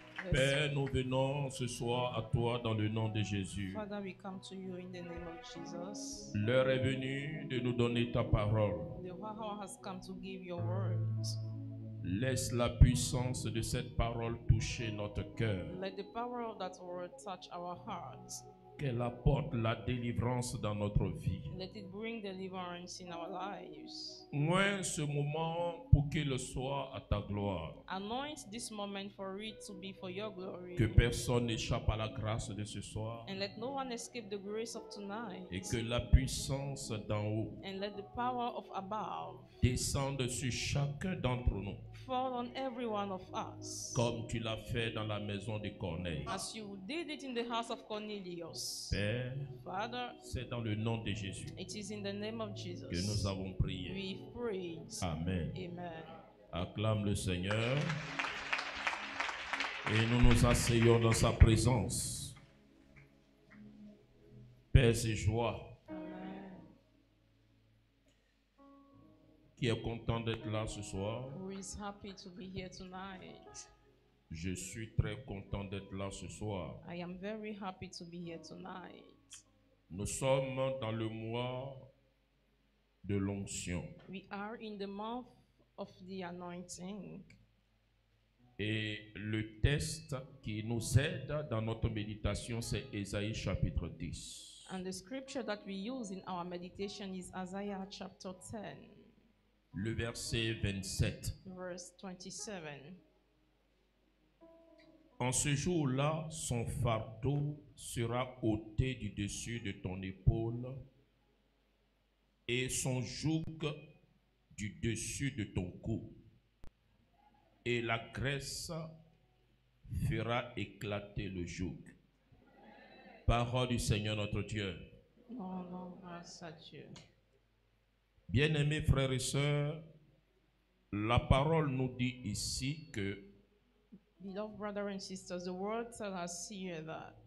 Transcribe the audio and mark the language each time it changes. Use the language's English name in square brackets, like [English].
[French] Père, nous venons ce soir à toi dans le nom de Jésus. [English] Father, we come to you in the name of Jesus. [French] L'heure est venue de nous donner ta parole. [English] The hour has come to give your word. [French] Laisse la puissance de cette parole toucher notre cœur. [English] Let the power of that word touch our hearts. [French] Qu'elle apporte la délivrance dans notre vie. [English] Let it bring deliverance in our lives. [French] Moins ce moment pour qu'il soit à ta gloire. [English] Anoint this moment for it to be for your glory. [French] Que personne n'échappe à la grâce de ce soir. [English] And let no one escape the grace of tonight. [French] Et que la puissance d'en haut. [English] And let the power of above. [French] Descende sur chacun d'entre nous. [English] Fall on every one of us. [French] Comme tu l'as fait dans la maison de Corneille. [English] As you did it in the house of Cornelius. [French] Père, [English] Father, [French] c'est dans le nom de Jésus. [English] It is in the name of Jesus. [French] Que nous avons prié. [English] We prayed. [French] Amen. [English] Amen. [French] Acclame le Seigneur. Et nous nous asseyons dans sa présence. Paix et joie. Qui est content d'être là ce soir? [English] Who is happy to be here tonight? [French] Je suis très content d'être là ce soir. [English] I am very happy to be here tonight. [French] Nous sommes dans le mois de l'onction. [English] We are in the month of the anointing. [French] Et le texte qui nous aide dans notre méditation, c'est Ésaïe chapitre 10. [English] And the scripture that we use in our meditation is Isaiah chapter 10. [French] Le verset 27. [English] Verse 27. [French] En ce jour-là, son fardeau sera ôté du dessus de ton épaule et son joug du dessus de ton cou. Et la graisse fera éclater le joug. Parole du Seigneur notre Dieu. Non, grâce à Dieu. Bien-aimés frères et sœurs, la parole nous dit ici que [English] beloved brothers and sisters, the word tells us here that